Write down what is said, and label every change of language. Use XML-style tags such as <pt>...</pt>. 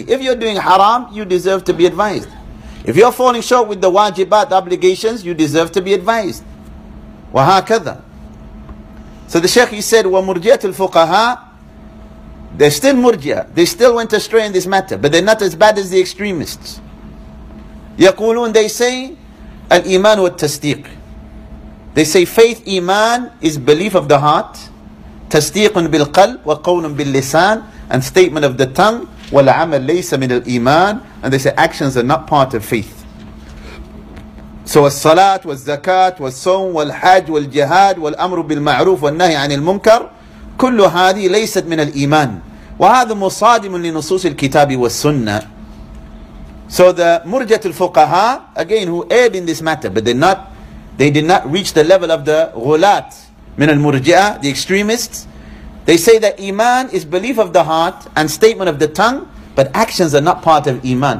<en>If you're doing haram, you deserve to be advised. If you're falling short with the wajibat obligations, you deserve to be advised.</en> <ar>وَهَكَذَا.</ar> <en>So the Shaykh, he said,</en> <ar>وَمُرْجِيَةُ الْفُقَهَا.</ar> <en>They're still murjia. They still went astray in this matter. But they're not as bad as the extremists.</en> <ar>يقولون,</ar> <en>they say,</en> <ar>الإيمان والتصديق.</ar> <en>They say, faith, iman, is belief of the heart.</en> <ar>تَصْدِيقٌ بِالْقَلْبِ وَقَوْلٌ بِاللِّسَانِ.</ar> <en>And statement of the tongue.</en> <ar>وَالْعَمَلْ لَيْسَ مِنَ الْإِيمَانِ.</ar> <en>And they say, actions are not part of faith.</en> <ar>So, الصَّلَاةُ وَالزَّكَاةُ وَالصَّوْمُ وَالْحَجُ وَالْجِهَادُ وَالْأَمْرُ بِالْمَعْرُوفِ وَالنَّهِي عَنِ الْمُنْكَرِ. كل هذه ليست من الإيمان وهذا مصادم لنصوص الكتاب والسنة.</ar> <en>So the murjat al-fuqaha, again, who erred in this matter, but they did not reach the level of the ghulat min al-murji'ah, the extremists. They say that iman is belief of the heart and statement of the tongue, but actions are not part of iman.</en>